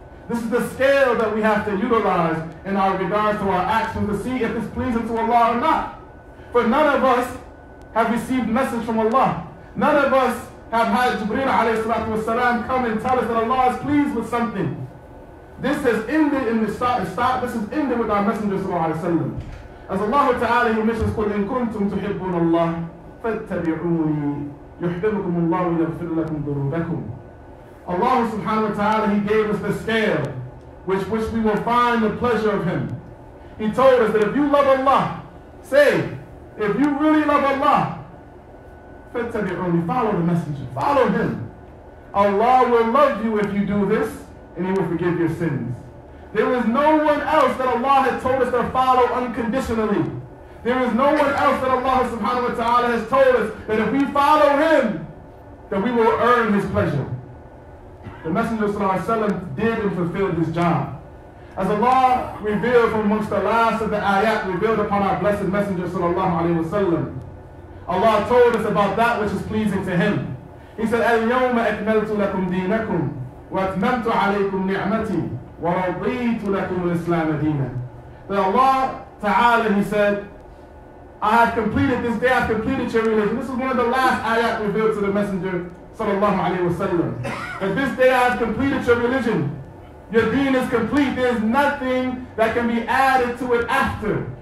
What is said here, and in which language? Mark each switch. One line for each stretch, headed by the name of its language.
English: This is the scale that we have to utilize in our regards to our actions to see if it's pleasing to Allah or not. For none of us have received message from Allah. None of us have had Jibreel alayhi salatu wasalam come and tell us that Allah is pleased with something. This has ended in the start. This has ended with our Messenger sallallahu alayhi wasallam. As Allah Ta'ala He mentions,
Arabic: قُلْ إِن كُنْتُمْ تُحِبُّونَ اللَّهِ فَاتَّبِعُونِي يُحْبِبُكُمُ اللَّهُ يَغْفِرُ لَكُمْ ذُنُوبَكُمْ.
English: Allah subhanahu wa ta'ala, He gave us the scale which we will find the pleasure of Him. He told us that if you love Allah, say, if you really love Allah, follow the Messenger, follow Him. Allah will love you if you do this, and He will forgive your sins. There is no one else that Allah has told us to follow unconditionally. There is no one else that Allah subhanahu wa ta'ala has told us that if we follow Him, that we will earn His pleasure. The Messenger sallallahu alayhi wa sallam did and fulfilled his job. As Allah revealed from amongst the last of the ayat revealed upon our blessed Messenger sallallahu alayhi wa sallam, Allah told us about that which is pleasing to Him. He said,
Arabic: أَلْيَوْمَ أَكْمَلْتُ لَكُمْ دِينَكُمْ وَأَتْمَمْتُ عَلَيْكُمْ نِعْمَتِي وَرَضِيتُ لَكُمُ الْإِسْلَامَ دِينًا.
English: That Allah ta'ala, He said, I have completed this day, I have completed your religion. This is one of the last ayat revealed to the Messenger sallallahu alayhi wa sallam. And this day I have completed your religion. Your deen is complete. There is nothing that can be added to it after.